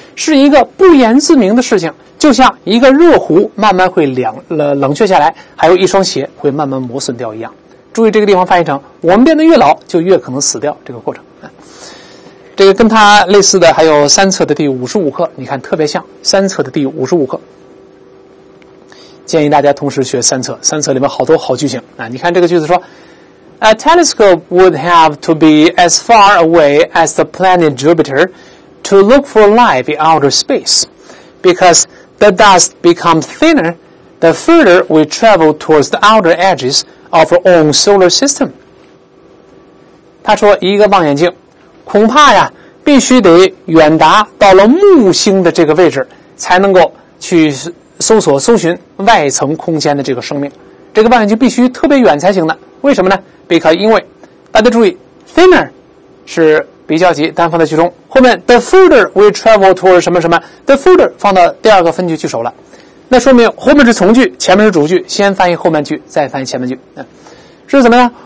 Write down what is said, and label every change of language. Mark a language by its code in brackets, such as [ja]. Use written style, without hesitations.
[zh] 是一个不言自明的事情，就像一个热壶慢慢会冷却下来，还有一双鞋会慢慢磨损掉一样。注意这个地方翻译成我们变得越老就越可能死掉这个过程。这个跟它类似的还有三册的第55课，你看特别像，三册的第55课，建议大家同时学三册，三册里面好多好句型啊！你看这个句子说 [en] ，A telescope would have to be as far away as the planet Jupiter to look for life in outer space, because the dust becomes thinner the further we travel towards the outer edges of our own solar system. [zh] 他说，一个望远镜恐怕呀，必须得远达到了木星的这个位置，才能够去搜寻外层空间的这个生命，这个望远镜必须特别远才行的。为什么呢？Because 因为大家注意 thinner 是比较级，单放在句中，后面 [en] the further we travel towards [zh] 什么什么， the further 放到第二个分句句首了，那说明后面是从句，前面是主句，先翻译后面句，再翻译前面句，是怎么样？